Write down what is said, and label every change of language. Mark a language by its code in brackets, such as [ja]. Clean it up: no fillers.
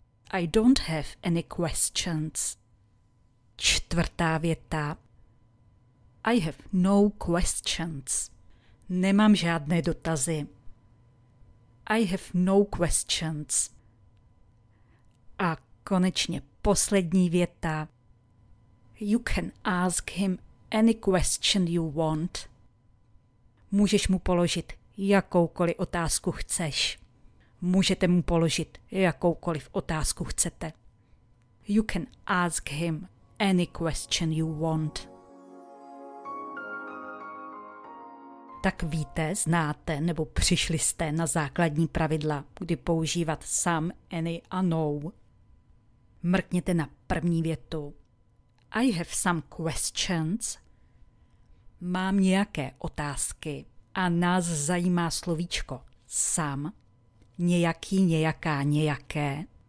[en] I don't have any questions. [cs] Čtvrtá věta. [en] I have no questions. [cs] Nemám žádné dotazy. [en] I have no questions. [cs] A konečně poslední věta. [en] You can ask him any question you want. [cs] Můžeš mu položit jakoukoliv otázku chceš. Můžete mu položit jakoukoliv otázku chcete. [en] You can ask him any question you want. [cs] Tak víte, znáte nebo přišli jste na základní pravidla, kdy používat some, any a no. Mrkněte na první větu. [en] I have some questions. [cs] Mám nějaké otázky a nás zajímá slovíčko some, nějaký, nějaká, nějaké.